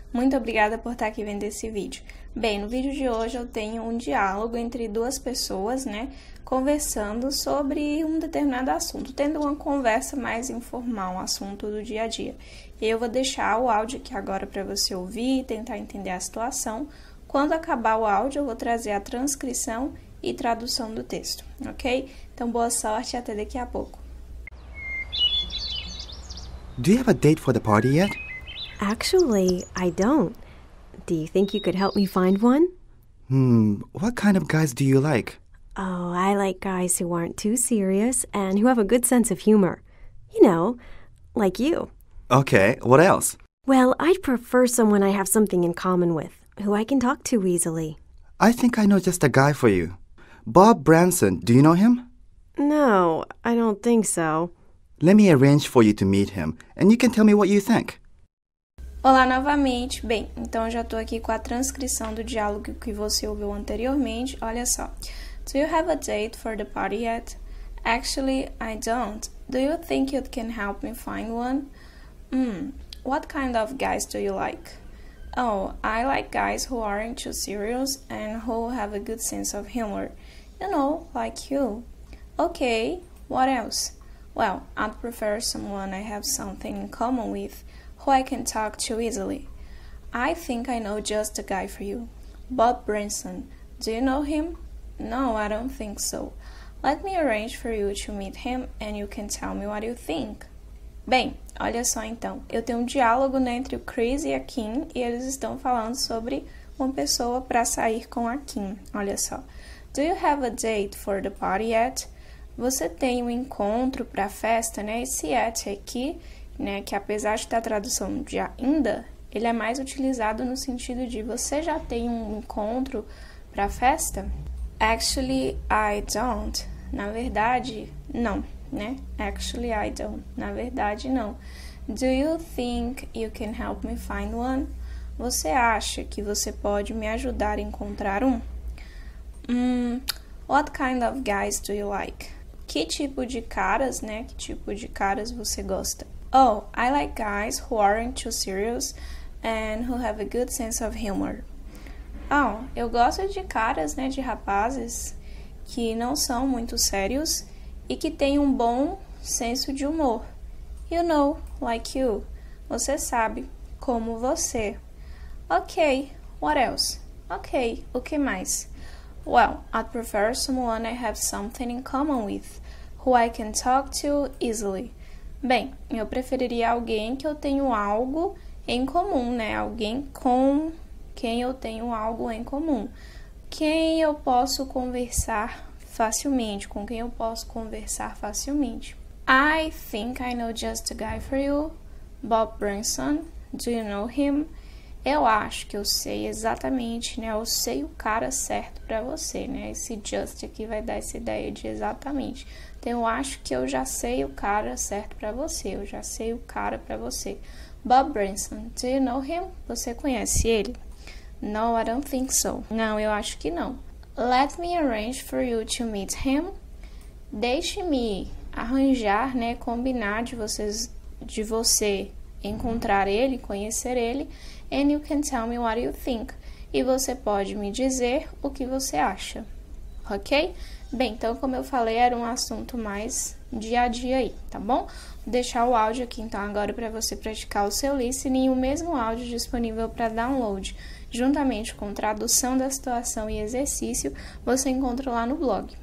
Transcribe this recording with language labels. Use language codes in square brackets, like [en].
[pt] Muito obrigada por estar aqui vendo esse vídeo. Bem, no vídeo de hoje eu tenho um diálogo entre duas pessoas, né, conversando sobre um determinado assunto, tendo uma conversa mais informal, um assunto do dia a dia. Eu vou deixar o áudio aqui agora para você ouvir e tentar entender a situação. Quando acabar o áudio, eu vou trazer a transcrição e tradução do texto, ok? Então, boa sorte e até daqui a pouco. [en] Do you have a date for the party yet? Actually, I don't. Do you think you could help me find one? What kind of guys do you like? Oh, I like guys who aren't too serious and who have a good sense of humor. You know, like you. Okay, what else? Well, I'd prefer someone I have something in common with, who I can talk to easily. I think I know just a guy for you. Bob Branson, do you know him? No, I don't think so. Let me arrange for you to meet him, and you can tell me what you think. [pt] Olá novamente. Bem, então eu já estou aqui com a transcrição do diálogo que você ouviu anteriormente. Olha só. [en] Do you have a date for the party yet? Actually, I don't. Do you think you can help me find one? What kind of guys do you like? Oh, I like guys who aren't too serious and who have a good sense of humor. You know, like you. Okay, what else? Well, I'd prefer someone I have something in common with. Who I can talk to easily. I think I know just the guy for you. Bob Branson. Do you know him? No, I don't think so. Let me arrange for you to meet him and you can tell me what you think. [pt] Bem, olha só então. Eu tenho um diálogo, né, entre o Chris e a Kim e eles estão falando sobre uma pessoa para sair com a Kim. Olha só. [en] Do you have a date for the party yet? [pt] Você tem um encontro para a festa, né? Esse yet aqui. Né, que apesar de ter a tradução de ainda, ele é mais utilizado no sentido de você já tem um encontro para festa? [en] Actually, I don't. [pt] Na verdade, não, né? [en] Actually, I don't. [pt] Na verdade, não. [en] Do you think you can help me find one? [pt] Você acha que você pode me ajudar a encontrar um? [en] What kind of guys do you like? [pt] Que tipo de caras, né? Que tipo de caras você gosta? [en] Oh, I like guys who aren't too serious and who have a good sense of humor. [pt] Oh, eu gosto de caras, né, de rapazes que não são muito sérios e que têm um bom senso de humor. [en] You know, like you. [pt] Você sabe, como você. Okay, [en] what else? [pt] Okay, o que mais? [en] Well, I'd prefer someone I have something in common with, who I can talk to easily. [pt] Bem, eu preferiria alguém que eu tenho algo em comum, né? Alguém com quem eu tenho algo em comum. Quem eu posso conversar facilmente, com quem eu posso conversar facilmente. [en] I think I know just the guy for you, Bob Branson. Do you know him? [pt] Eu acho que eu sei exatamente, né? Eu sei o cara certo para você, né? Esse just aqui vai dar essa ideia de exatamente. Então, eu acho que eu já sei o cara certo para você. Eu já sei o cara para você. [en] Bob Branson, do you know him? [pt] Você conhece ele? [en] No, I don't think so. [pt] Não, eu acho que não. [en] Let me arrange for you to meet him. [pt] Deixe-me arranjar, né, combinar de você encontrar ele, conhecer ele. [en] And you can tell me what you think. [pt] E você pode me dizer o que você acha. Ok? Bem, então, como eu falei, era um assunto mais dia a dia aí, tá bom? Vou deixar o áudio aqui então agora para você praticar o seu listening, o mesmo áudio disponível para download, juntamente com tradução da situação e exercício, você encontra lá no blog.